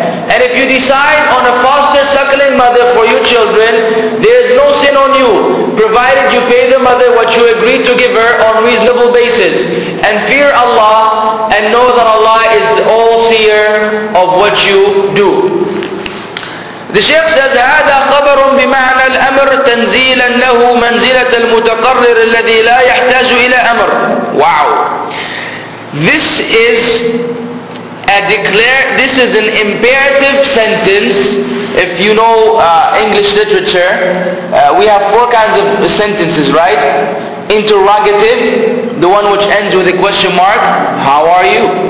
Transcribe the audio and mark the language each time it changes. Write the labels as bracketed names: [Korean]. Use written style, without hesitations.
[English] And if you decide on a foster suckling mother for your children, there is no sin on you, provided you pay the mother what you agreed to give her on reasonable basis. And fear Allah, and know that Allah is the all-seer of what you do. The Shaykh says, [Arabic] هذا خبر بمعنى الأمر تنزيلا له منزلة المتقرر الذي لا يحتاج إلى أمر. [English] Wow. This is an imperative sentence. If you know English literature, we have 4 kinds of sentences, right? Interrogative, the one which ends with a question mark, how are you?